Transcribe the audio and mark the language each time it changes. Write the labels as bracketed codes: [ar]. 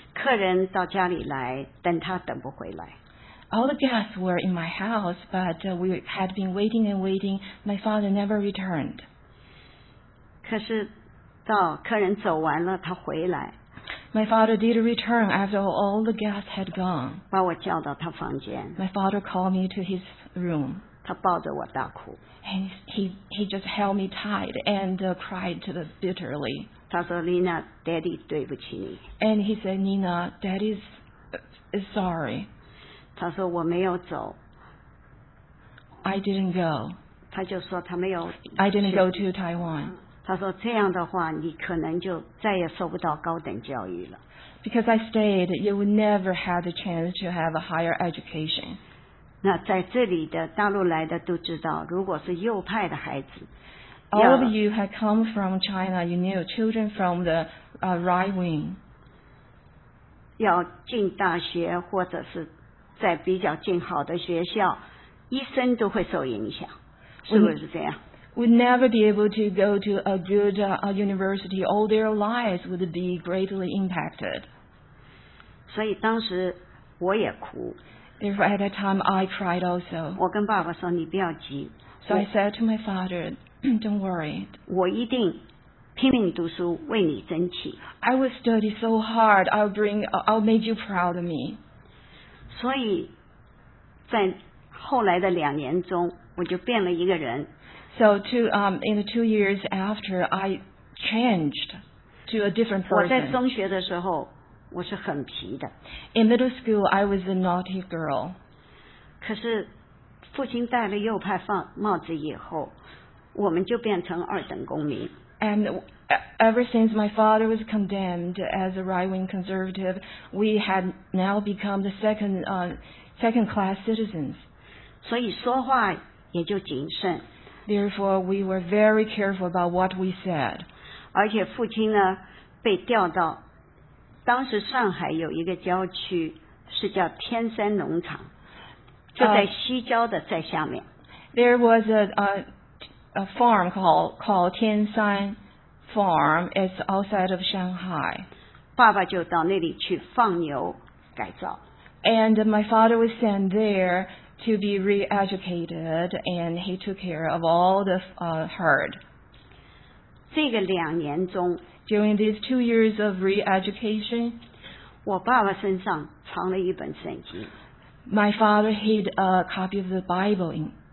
[zh] 客人到家里来，等他等不回来。 [en] All the guests were in my house, but we had been waiting and waiting. My father never returned. [zh] 可是到客人走完了，他回来。 [en] My father did return after all the guests had gone. [zh] 把我叫到他房间。 [en] My father called me to his room. [zh] 他抱着我大哭。 [en] And he just held me tight and cried bitterly. [zh] 他说 ,Nina, Daddy, 对不起你。 [en] And he said, Nina, Daddy is sorry. [zh] 他说我没有走。 [en] I didn't go. [zh] 他就说他没有。 [en] I didn't go to Taiwan. [zh] 他说这样的话你可能就再也受不到高等教育了。 [en] Because I stayed, you would never have the chance to have a higher education. [zh] 那在这里的大陆来的都知道，如果是右派的孩子 [en] ，All of you had come from China, you knew children from the right wing. [zh] 要进大学或者是在比较进好的学校，一生都会受影响，是不是这样 [en] ？Would never be able to go to a good university. All their lives would be greatly impacted. [zh] 所以当时我也哭。 [en] Therefore, at that time, I cried also. [zh] 我跟爸爸说你不要急。 [en] So I said to my father, don't worry. [zh] 我一定拼命读书为你争取。 [en] I will study so hard, I'll make you proud of me. [zh] 所以在后来的两年中我就变了一个人。 [en] So in the 2 years after, I changed to a different person. [zh] 我在中学的时候我是很皮的。 [en] In middle school, I was a naughty girl. [zh] 可是父亲戴了右派帽子以后，我们就变成二等公民。 [en] And Ever since my father was condemned as a right-wing conservative, we had now become the second-class citizens. [zh] 所以说话也就谨慎。 [en] Therefore, we were very careful about what we said. [zh] 而且父亲呢，被调到当时上海有一个郊区，是叫天山农场，就在西郊的在下面。 [en] There was a farm called 天山 Farm. It's outside of Shanghai. [zh] 爸爸就到那里去放牛改造。 [en] And my father was sent there to be re-educated, and he took care of all the herd. [zh] 这个两年中。 [en] During these 2 years of re-education, [zh] 我爸爸身上藏了一本圣经。 [en] My father hid a copy of the Bible in.